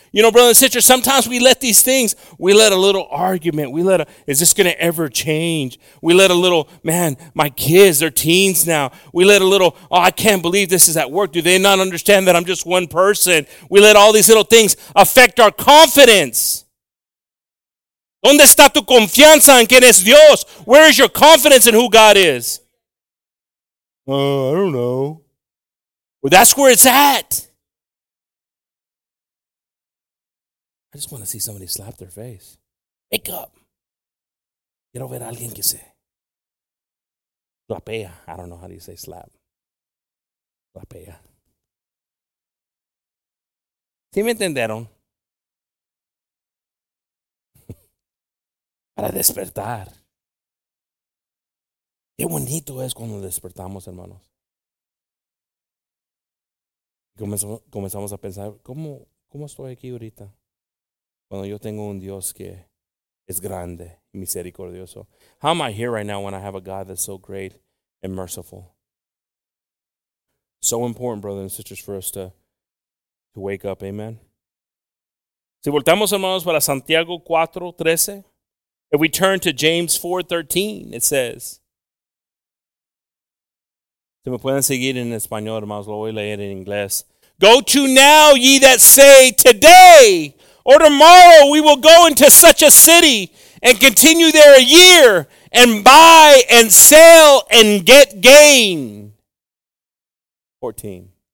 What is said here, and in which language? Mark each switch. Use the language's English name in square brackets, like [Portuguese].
[English] You know, brothers and sisters, sometimes we let these things, we let a little argument, is this going to ever change? We let a little, man, my kids, they're teens now. We let a little, oh, I can't believe this is at work. Do they not understand that I'm just one person? We let all these little things affect our confidence. [Spanish] ¿Dónde está tu confianza en quién es Dios? [English] Where is your confidence in who God is? I don't know. Well, that's where it's at. I just want to see somebody slap their face. Wake up. [Spanish] Quiero ver a alguien que se slapea. [English] I don't know how you say slap. Slapea. [Spanish] ¿Sí me entendieron? Para despertar. Qué bonito es cuando despertamos, hermanos. Comenzamos a pensar, ¿cómo estoy aquí ahorita? Cuando yo tengo un Dios que es grande, misericordioso. [English] How am I here right now when I have a God that's so great and merciful? So important, brothers and sisters, for us to wake up, amen. [Spanish] Si voltamos, hermanos, para Santiago 4:13, [English] if we turn to James 4:13, it says, [Spanish] si me pueden seguir en español, hermanos, lo voy a leer en inglés. [English] Go to now, ye that say, today or tomorrow we will go into such a city and continue there a year and buy and sell and get gain. 14.